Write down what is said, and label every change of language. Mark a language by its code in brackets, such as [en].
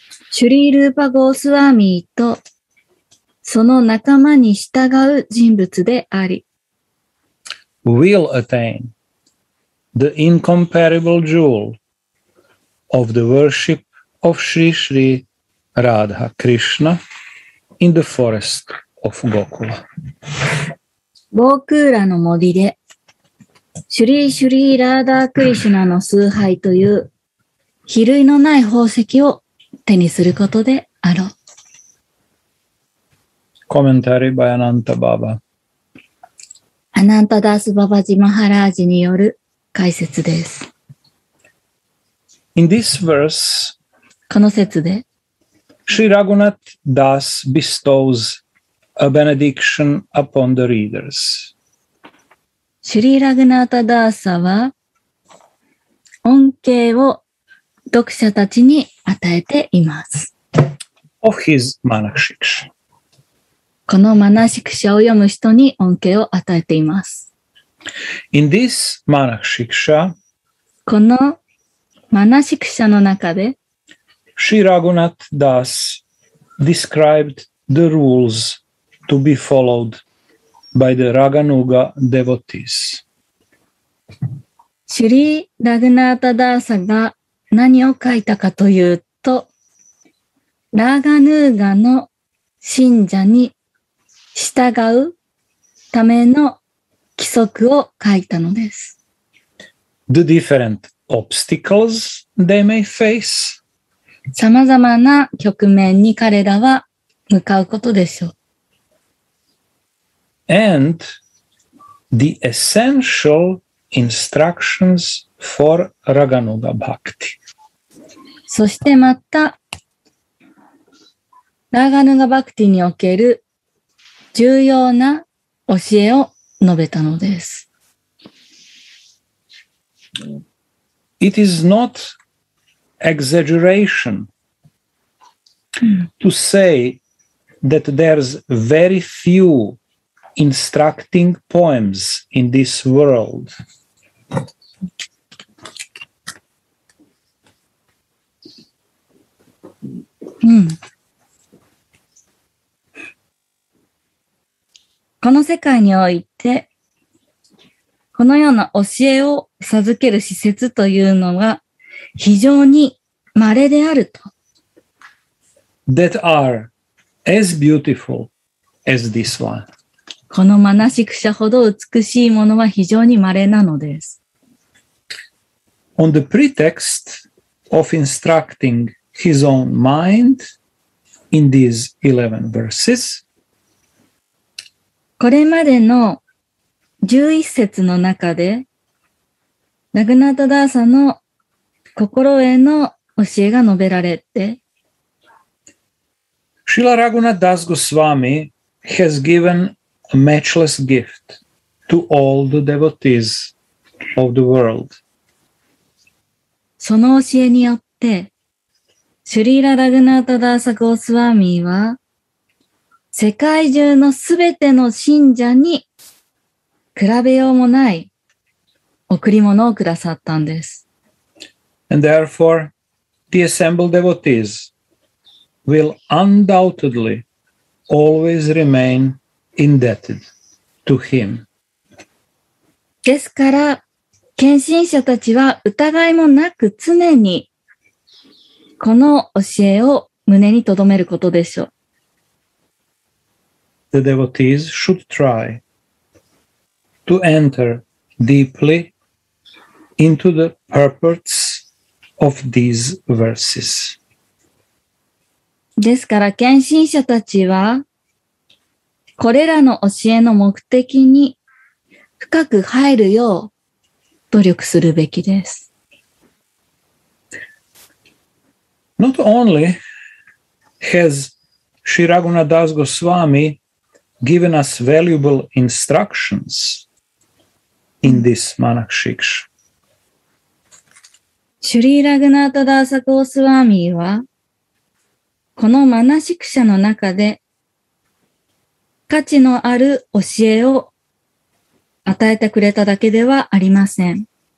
[ja] Sri Rupa Goswami とその仲間に従う人物であり。 [en] Will attain the incomparable jewel. Of the worship of Sri Sri Radha Krishna in the forest of Gokula. [ja] Gokula の森で、シュリーシュリーラーダークリシュナの崇拝という比類のない宝石を手にすることであろう。 [en] Commentary by Ananta Baba. [ja] Ananta Das Babaji Maharaj による解説です。 [en] In this verse, [ja] この節で、 [en] Sri Raghunath Das bestows a benediction upon the readers. [ja] シュリー・ラグナータ・ダーサは、恩恵を読者たちに与えています。 [en] Of his Manashiksha. [ja] このマナシクシャを読む人に恩恵を与えています。 [en] In this Manashiksha, [ja] このマナシクシャの中で、 [en] シラグナッダス described the rules to be followed by the Raganuga devotees. [ja] シュリー・ラグナータ・ダーサが何を書いたかというと、ラガヌーガの信者に従うための規則を書いたのです。 [en] The different obstacles they may face. [ja] 様々な局面に彼らは向かうことでしょう。 [en] And the essential instructions for Raganuga Bhakti. [ja] そしてまた、ラガヌガ・バクティにおける重要な教えを述べたのです。 [en] It is not exaggeration to say that there's very few instructing poems in this world. [ja] うん、この世界においてこのような教えを授ける施設というのが非常に稀であると。 [en] That are as beautiful as this one. [ja] このマナシクシャほど美しいものは非常に稀なのです。 [en] On the pretext of instructing his own mind in these 11 verses. [ja] これまでの11節の中で、ラグナータ・ダーサの心への教えが述べられて、 [en] Srila Raghunath Das Goswami has given a matchless gift to all the devotees of the world. [ja] その教えによって、シュリーラ・ラグナータ・ダーサ・ゴースワーミーは、世界中のすべての信者に比べようもない贈り物をくださったんです。 [en] And therefore, the assembled devotees will undoubtedly always remain indebted to him. [ja] ですから、献身者たちは疑いもなく常にこの教えを胸に留めることでしょう。 [en] The devotees should try to enter deeply into the purports of these verses. [ja] ですから献身者たちはこれらの教えの目的に深く入るよう努力するべきです。 [en] Not only has Sri Raghunath Das Goswami given us valuable instructions in this Manakshiksha. [ja] シュリー・ラグナータ・ダーサ・ゴースワーミーはこのマナシクシャの中で価値のある教えを与えてくれただけではありません。